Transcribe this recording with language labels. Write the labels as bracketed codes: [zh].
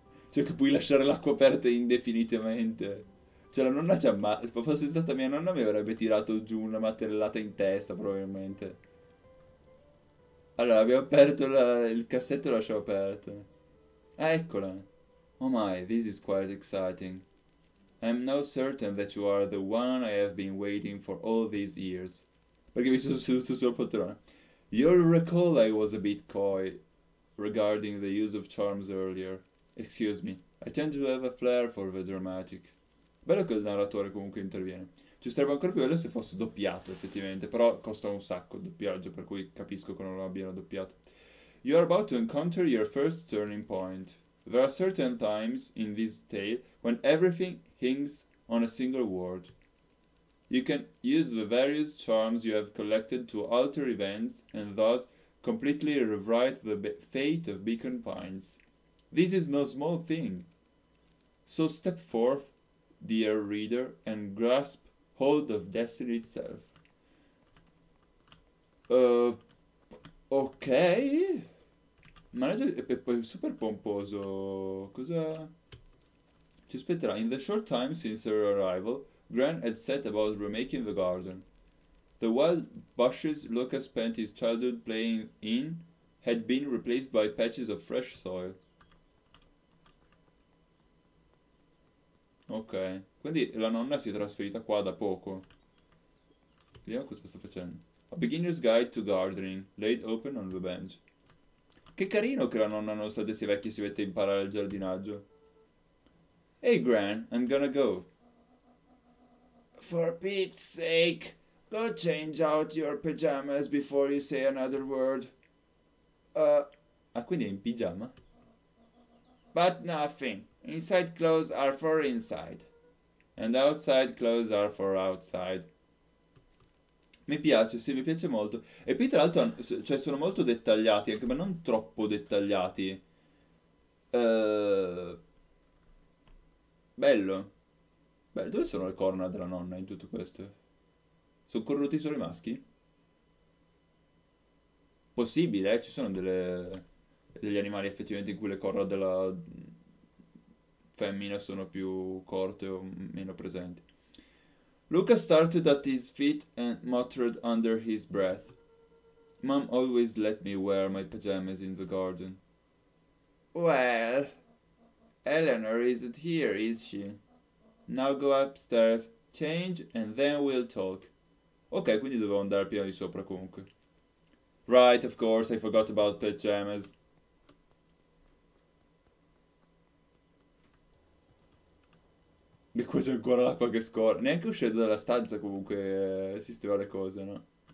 [it] Cioè che puoi lasciare l'acqua aperta indefinitamente. Cioè la nonna c'ha ma... Fosse stata mia nonna mi avrebbe tirato giù una martellata in testa, probabilmente. Allora, abbiamo aperto il cassetto e lo lasciamo aperto. Ah, eccola. [en] Oh my, this is quite exciting. I'm now certain that you are the one I have been waiting for all these years. [it] Perché mi sono seduto sulla poltrona. [en] You'll recall I was a bit coy regarding the use of charms earlier. Excuse me, I tend to have a flair for the dramatic. [it] Bello che il narratore comunque interviene. Ci sarebbe ancora più bello se fosse doppiato, effettivamente, però costa un sacco il doppiaggio, per cui capisco che non l'abbiano doppiato. [en] You are about to encounter your first turning point. There are certain times in this tale when everything hinges on a single word. You can use the various charms you have collected to alter events and thus completely rewrite the fate of Beacon Pines. This is no small thing. So step forth, dear reader, and grasp Hold of destiny itself. [it] Ok. Ma è poi super pomposo. Cosa? Ci aspetterà. [en] In the short time since her arrival, Gran had set about remaking the garden. The wild bushes Lucas spent his childhood playing in had been replaced by patches of fresh soil. [it] Ok, quindi la nonna si è trasferita qua da poco. Vediamo cosa sta facendo. [en] A beginner's guide to gardening, laid open on the bench. [it] Che carino che la nonna, nonostante sia vecchia, si mette a imparare il giardinaggio. [en] Hey Gran, I'm gonna go. For Pete's sake, go change out your pajamas before you say another word. [it] Ah, quindi è in pigiama? [en] But nothing. Inside clothes are for inside. And outside clothes are for outside. [it] Mi piace, sì, mi piace molto. E poi tra l'altro, cioè, sono molto dettagliati, anche, ma non troppo dettagliati. Bello. Beh, dove sono le corna della nonna in tutto questo? Sono corrotti solo i maschi? Possibile, ci sono degli animali effettivamente in cui le corna della femmina sono più corte o meno presenti. [en] Luca started at his feet and muttered under his breath. Mom always let me wear my pajamas in the garden. Well, Eleanor isn't here, is she? Now go upstairs, change, and then we'll talk. [it] Ok, quindi dovevo andare piano di sopra comunque. [en] Right, of course, I forgot about pajamas. [it] E qua c'è ancora l'acqua che scorre. Neanche uscendo dalla stanza comunque sistema le cose, no?